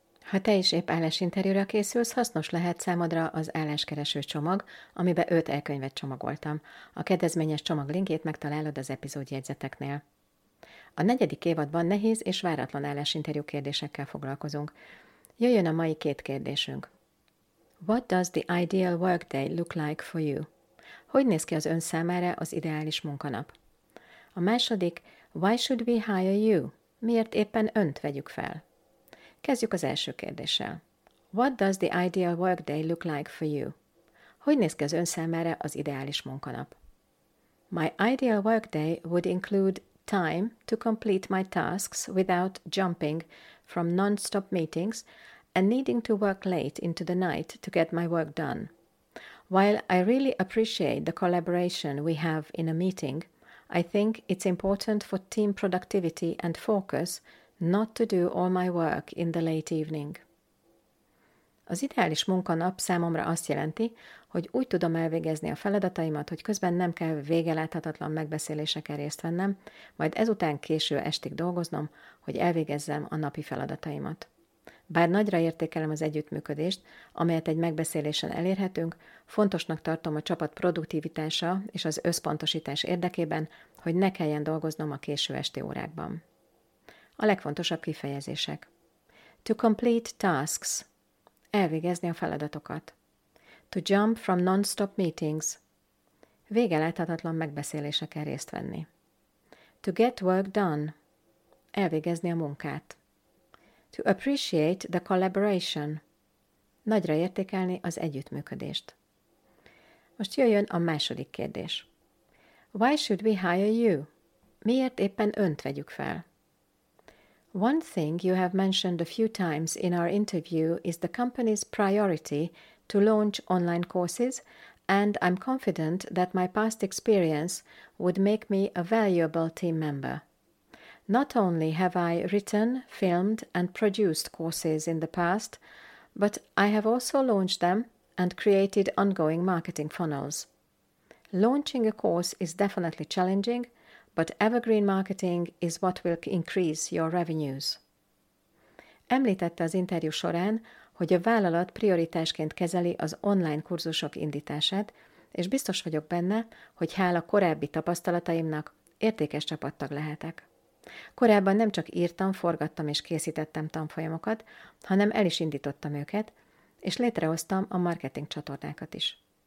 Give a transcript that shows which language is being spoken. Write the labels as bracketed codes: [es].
[hu] Ha te is épp állásinterjúra készülsz, hasznos lehet számodra az álláskereső csomag, amiben 5 e-könyvet csomagoltam. A kedvezményes csomag linkjét megtalálod az epizód jegyzeteknél. A negyedik évadban nehéz és váratlan állásinterjú kérdésekkel foglalkozunk. Jöjjön a mai 2 kérdésünk. [en] What does the ideal workday look like for you? [hu] Hogy néz ki az ön számára az ideális munkanap? A második, [en] why should we hire you? [hu] Miért éppen önt vegyük fel? Kezdjük az első kérdéssel. [en] What does the ideal workday look like for you? [hu] Hogy néz ki az ön számára az ideális munkanap? [en] My ideal workday would include time to complete my tasks without jumping from non-stop meetings and needing to work late into the night to get my work done. While I really appreciate the collaboration we have in a meeting, I think it's important for team productivity and focus not to do all my work in the late evening. [hu] Az ideális munkanap számomra azt jelenti, hogy úgy tudom elvégezni a feladataimat, hogy közben nem kell végeláthatatlan megbeszéléseken részt vennem, majd ezután késő estig dolgoznom, hogy elvégezzem a napi feladataimat. Bár nagyra értékelem az együttműködést, amelyet egy megbeszélésen elérhetünk, fontosnak tartom a csapat produktivitása és az összpontosítás érdekében, hogy ne kelljen dolgoznom a késő esti órákban. A legfontosabb kifejezések. [en] To complete tasks. [hu] Elvégezni a feladatokat. [en] To jump from non-stop meetings. [hu] Végeláthatatlan megbeszélésekkel részt venni. [en] To get work done. [hu] Elvégezni a munkát. [en] To appreciate the collaboration. [hu] Nagyra értékelni az együttműködést. Most jöjjön a második kérdés. [en] Why should we hire you? [hu] Miért éppen önt vegyük fel? [en] One thing you have mentioned a few times in our interview is the company's priority to launch online courses, and I'm confident that my past experience would make me a valuable team member. Not only have I written, filmed, and produced courses in the past, but I have also launched them and created ongoing marketing funnels. Launching a course is definitely challenging, but evergreen marketing is what will increase your revenues. [hu] Említette az interjú során, hogy a vállalat prioritásként kezeli az online kurzusok indítását, és biztos vagyok benne, hogy hála korábbi tapasztalataimnak értékes csapattag lehetek. Korábban nem csak írtam, forgattam és készítettem tanfolyamokat, hanem el is indítottam őket, és létrehoztam a marketing csatornákat is.